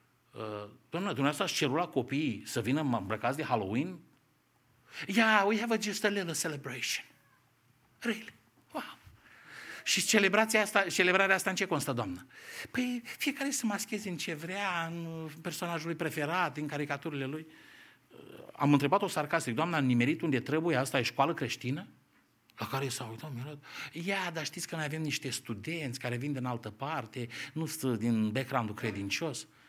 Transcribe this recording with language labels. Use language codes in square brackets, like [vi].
[ro] Doamne, dumneavoastră ați cerut la copiii să vină îmbrăcați de Halloween? [en] Yeah, we have just a little celebration. Really? Wow. [ro] Și celebrarea asta în ce constă, doamnă? Păi fiecare să mascheze în ce vrea, în personajul lui preferat, în caricaturile lui. Am întrebat-o sarcastic, doamna, a nimerit unde trebuie, asta e școală creștină? La care s-a uitat, mirat. Ia, dar știți că noi avem niște studenți care vin din altă parte, nu sunt din background-ul credincios.